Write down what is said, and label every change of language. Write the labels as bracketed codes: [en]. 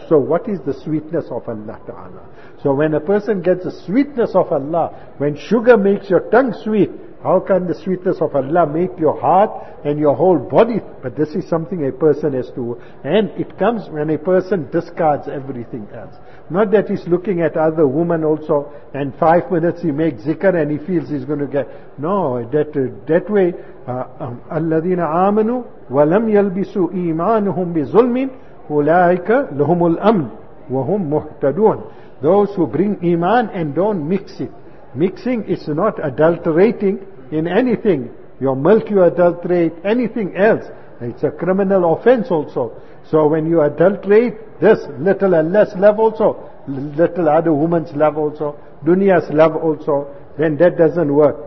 [en] So what is the sweetness of Allah Ta'ala? So when a person gets the sweetness of Allah, when sugar makes your tongue sweet, how can the sweetness of Allah make your heart and your whole body? But this is something a person has to, and it comes when a person discards everything else. Not that he's looking at other women also, and 5 minutes he makes zikr and he feels he's going to get. No, that way, [ar] الَّذِينَ آمَنُوا وَلَمْ يَلْبِسُوا إِيمَانُهُمْ بِظُلْمٍ أُولَٰئِكَ لَهُمُ الْأَمْنُ وَهُمْ مُهْتَدُونَ. [en] Those who bring iman and don't mix it. Mixing is not adulterating in anything. Your milk you adulterate, anything else. It's a criminal offense also. So when you adulterate this, little Allah's love also, little other woman's love also, dunya's love also, then that doesn't work.